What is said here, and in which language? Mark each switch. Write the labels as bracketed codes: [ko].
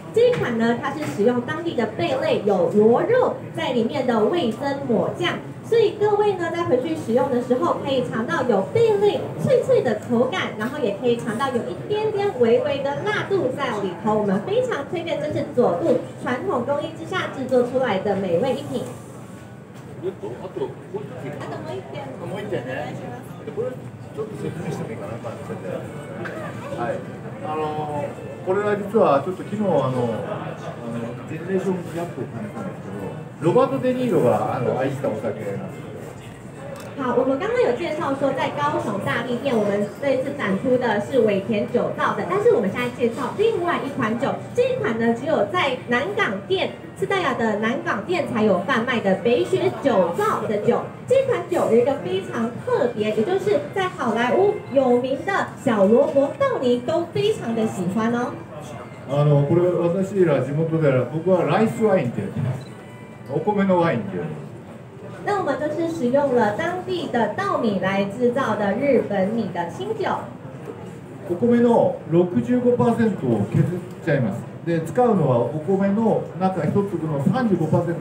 [zh] 这一款呢，它是使用当地的贝类，有螺肉在里面的味噌抹酱，所以各位呢在回去使用的时候，可以尝到有贝类脆脆的口感，然后也可以尝到有一点点微微的辣度在里头。我们非常推荐这是佐渡传统工艺之下制作出来的美味一品。 [ja] あともう一点。もう一点ね。ちょっと説明してもいいかな、これは実はちょっと昨日ジェネレーションギャップを感じたんですけど、ロバート・デ・ニーロが愛したお酒なんですけど。 [zh] 好，我们刚刚有介绍说，在高雄大利店，我们这次展出的是尾田酒造的，但是我们现在介绍另外一款酒，这一款呢只有在南港店，斯代亚的南港店才有贩卖的北雪酒造的酒。这款酒有一个非常特别，也就是在好莱坞有名的小罗伯·道尼都非常的喜欢哦。 [ja] これ私ら地元で僕はライスワインって言います。お米のワインって言います。 [zh] 那我们就是使用了当地的稻米来制造的日本米的清酒。 [ja] お米の 65% を削っちゃいます。で、使うのはお米の中一粒の 35%。